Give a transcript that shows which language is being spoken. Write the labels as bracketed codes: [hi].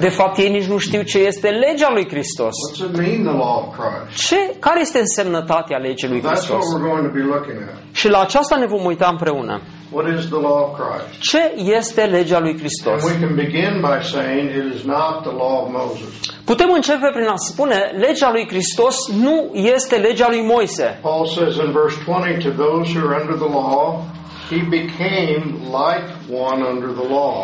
[ro] De fapt, ei nici nu știu ce este legea lui Hristos. [en] What does it mean, the law of Christ? [ro] Ce? Care este însemnătatea legii lui Hristos? [en] That's what we're going to be looking at. [ro] Și la aceasta ne vom uita împreună. [en] What is the law of Christ? [ro] Ce este legea lui Hristos? [en] And we can begin by saying it is not the law of Moses. [ro] Putem începe prin a spune legea lui Hristos nu este legea lui Moise. [en] Paul says in verse 20 to those who are under the law, he became like one under the law.